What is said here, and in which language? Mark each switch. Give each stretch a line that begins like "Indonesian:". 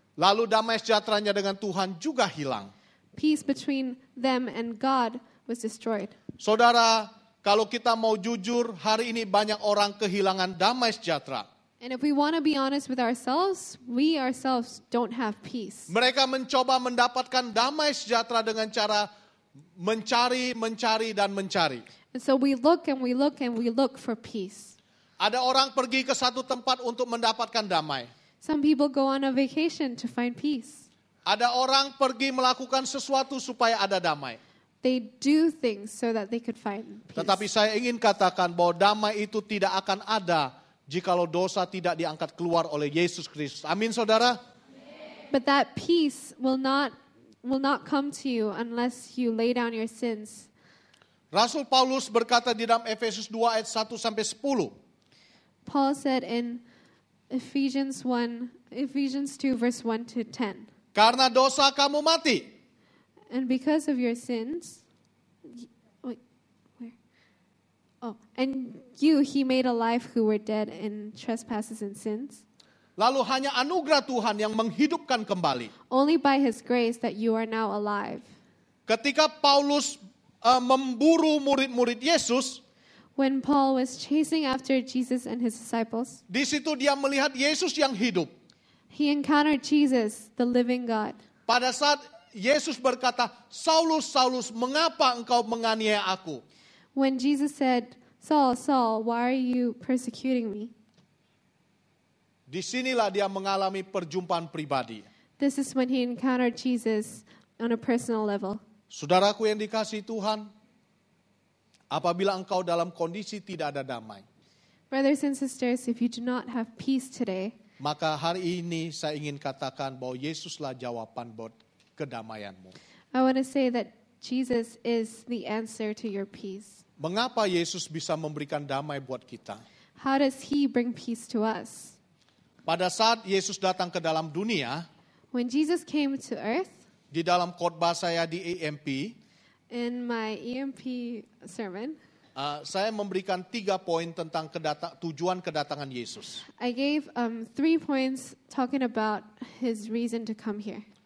Indonesian: Lalu damai sejahteranya dengan Tuhan juga hilang.
English: Peace between them and God was destroyed.
Indonesian: Saudara, kalau kita mau jujur, hari ini banyak orang kehilangan damai sejahtera.
English: And if we want to be honest with ourselves, we ourselves don't have peace.
Indonesian: Mereka mencoba mendapatkan damai sejahtera dengan cara mencari, mencari, dan mencari.
English: And so we look and we look and we look for peace.
Indonesian: Ada orang pergi ke satu tempat untuk mendapatkan damai.
English: Some people go on a vacation to find peace.
Indonesian: Ada orang pergi melakukan sesuatu supaya ada damai.
English: They do things so that they could find peace.
Indonesian: Tetapi saya ingin katakan bahwa damai itu tidak akan ada jikalau dosa tidak diangkat keluar oleh Yesus Kristus. Amin, saudara.
English: But that peace will not come to you unless you lay down your sins.
Indonesian: Rasul Paulus berkata di dalam Efesus 2 ayat 1 sampai 10.
English: Paul said in Ephesians 2 verse 1 to 10.
Indonesian: Karena dosa kamu mati.
English: And because of your sins. Oh, and you he made alive who were dead in trespasses and sins.
Indonesian: Lalu hanya anugerah Tuhan yang menghidupkan kembali.
English: Only by his grace that you are now alive.
Indonesian: Ketika Paulus memburu murid-murid Yesus,
English: when Paul was chasing after Jesus and his disciples,
Indonesian: di situ dia melihat Yesus yang hidup.
English: He encountered Jesus, the living God.
Indonesian: Pada saat Yesus berkata, Saulus, Saulus, mengapa engkau menganiaya aku?
English: When Jesus said, Saul, Saul, why are you persecuting me?
Indonesian: Disinilah dia mengalami perjumpaan pribadi.
English: This is when he encountered Jesus on a personal level.
Indonesian: Saudaraku yang dikasihi Tuhan, apabila engkau dalam kondisi tidak ada damai,
English: brothers and sisters, if you do not have peace today,
Indonesian: maka hari ini saya ingin katakan bahwa Yesuslah jawaban buat kedamaianmu.
English: I want to say that Jesus is the answer to your peace.
Indonesian: Mengapa Yesus bisa memberikan damai buat kita?
English: How does he bring peace to us?
Indonesian: Pada saat Yesus datang ke dalam dunia,
English: when Jesus came to earth,
Indonesian: di dalam khotbah saya di EMP,
English: in my EMP sermon,
Indonesian: saya memberikan 3 poin tentang tujuan kedatangan Yesus.
English: I gave 3 points talking about his reason to come here.